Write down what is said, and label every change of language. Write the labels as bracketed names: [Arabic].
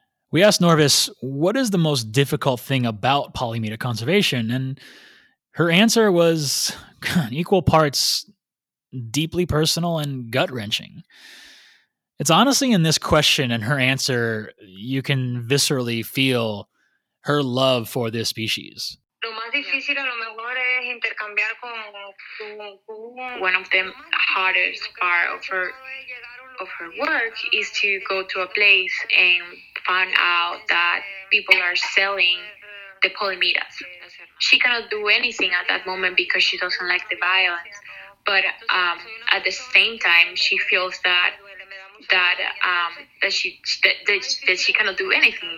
[English] We asked Norvis, what is the most difficult thing about polymeta conservation? And her answer was equal parts deeply personal and gut-wrenching. It's honestly in this question and her answer, you can viscerally feel her love for this species. [Spanish] Lo más difícil a lo mejor es intercambiar con [English] one of the hardest parts of her work is to go to a place and find out that people are selling the polymitas. She cannot do anything at that moment because she doesn't like the violence. But at the same time, she feels that she cannot do anything.